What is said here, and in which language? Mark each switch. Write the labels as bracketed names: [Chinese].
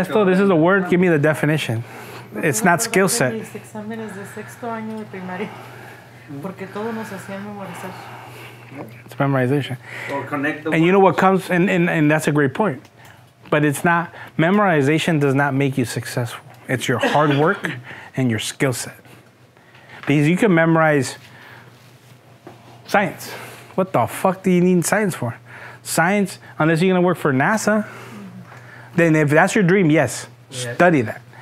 [Spanish] esto, [English] this is the word, give me the definition. It's not skill set. [Spanish] Mis exámenes de sexto año de primaria, porque todos nos hacían memorizar. [English] It's memorization. Or connect the and words. You know what comes, and that's a great point. But it's not, memorization does not make you successful. It's your hard work and your skill set. Because you can memorize science. What the fuck do you need science for? Science, unless you're going to work for NASA, then if that's your dream, yes, study that.